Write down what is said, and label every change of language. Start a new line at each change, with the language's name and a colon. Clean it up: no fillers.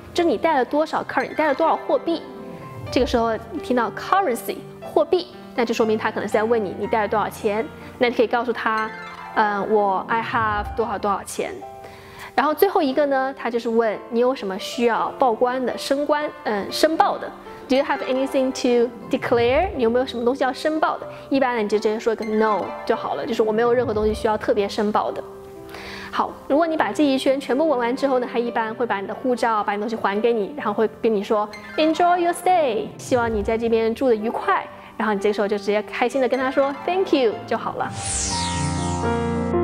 Chinese: 就是你带了多少 currency， 带了多少货币？这个时候你听到 currency 货币。那就说明他可能是在问你带了多少钱，那你可以告诉他我
English: I have
Chinese: 多少多少钱。然后最后一个呢，他就是问你有什么需要报关的申报的。
English: Do you have anything to declare？
Chinese: 你有没有什么东西要申报的？一般呢你就直接说一个 no 就好了，就是我没有任何东西需要特别申报的。好，如果你把这一圈全部问完之后呢，他一般会把你的护照把你东西还给你，然后会跟你说
English: Enjoy your stay，
Chinese: 希望你在这边住得愉快，然后你这个时候就直接开心的跟他说
English: Thank you
Chinese: 就好了。